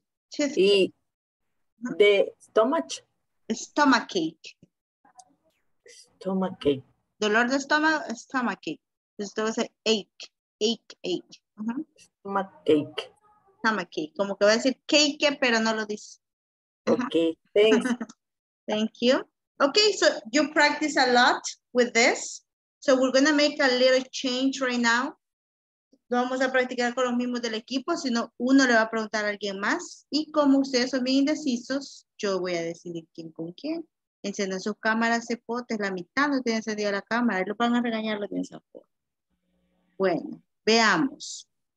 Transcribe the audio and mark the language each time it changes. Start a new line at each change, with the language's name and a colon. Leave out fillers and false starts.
English: Toothache.
Spanish: Sí. ¿De
English: stomach?
Spanish: Stomachache. Dolor de estómago, stomachache. Entonces todo va a ser ache.
English: Uh-huh. Stomachache.
Spanish: Aquí. Como que va a decir cake, pero no lo dice.
English: Ok, thanks. Thank you. Ok, so you practice a lot with this. So we're going to make a little change right now.
Spanish: no vamos a practicar con los mismos del equipo, sino uno le va a preguntar a alguien más. Y como ustedes son bien indecisos, yo voy a decidir quién con quién. Encendan sus cámaras, se potes, la mitad no tiene encendida la cámara. Lo van a regañar, lo tienen sabor. Bueno, veamos.